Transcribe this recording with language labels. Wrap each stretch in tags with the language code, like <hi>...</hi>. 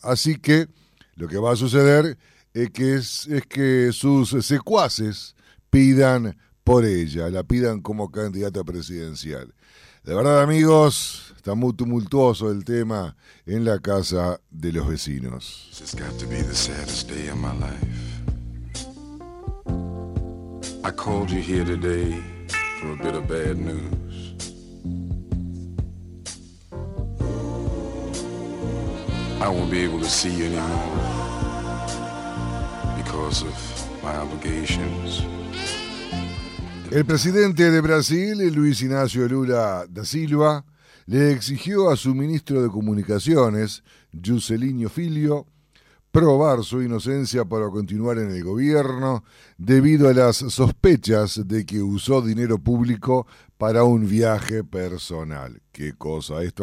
<es>Así que lo que va a suceder es que sus secuaces pidan por ella, la pidan como candidata presidencial. De verdad, amigos, está muy tumultuoso el tema en la casa de los vecinos.</es> <en>It's got to be the saddest day of my life. I called you here today for a bit of bad news. I won't be able to see you anymore because of my obligations.</en> <es>El presidente de Brasil, Luis Inácio Lula da Silva, le exigió a su ministro de Comunicaciones, Juscelino Filho, probar su inocencia para continuar en el gobierno debido a las sospechas de que usó dinero público para un viaje personal. ¿Qué cosa esto?</es>